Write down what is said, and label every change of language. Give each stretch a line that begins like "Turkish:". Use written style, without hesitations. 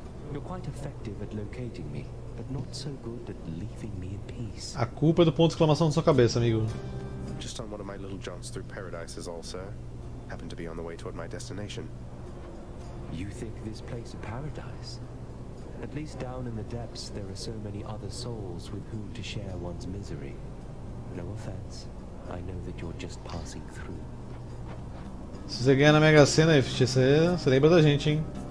English: You're quite effective at locating me, but not so good at leaving me in peace.
Portuguese: A culpa é do ponto de exclamação na sua cabeça, amigo.
English: Just on one of my little jaunts through paradise is all, sir. Happened to be on the way toward my destination. You think this place a paradise? At least down in the depths, there are so many other souls with whom to share one's misery. No offense. I know that you're just passing through.
Portuguese: Se você ganhar na Mega Sena, você lembra da gente, hein?